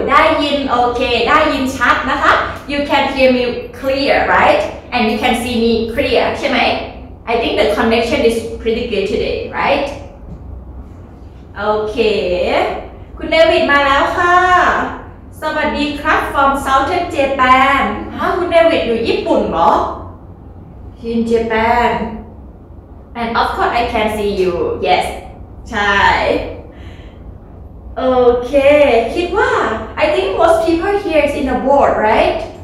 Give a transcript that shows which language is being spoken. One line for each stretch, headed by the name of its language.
Thai: ได้ยินโอเคได้ยินชัดนะคะ
English: You can hear me clear, right? And you can see me clear,
Thai: ใช่ไหม
English: I think the connection is pretty good today, right?
Thai: โอเคคุณเดวิดมาแล้วค่ะสวัสดีครับ
English: from Southern Japan
Thai: ฮะคุณเดวิดอยู่ญี่ปุ่นเหรอ
English: In Japan And of course I can see you, yes
Thai: ใช่
English: Okay,
Thai: คิดว่า
English: I think most people here is in the world, right?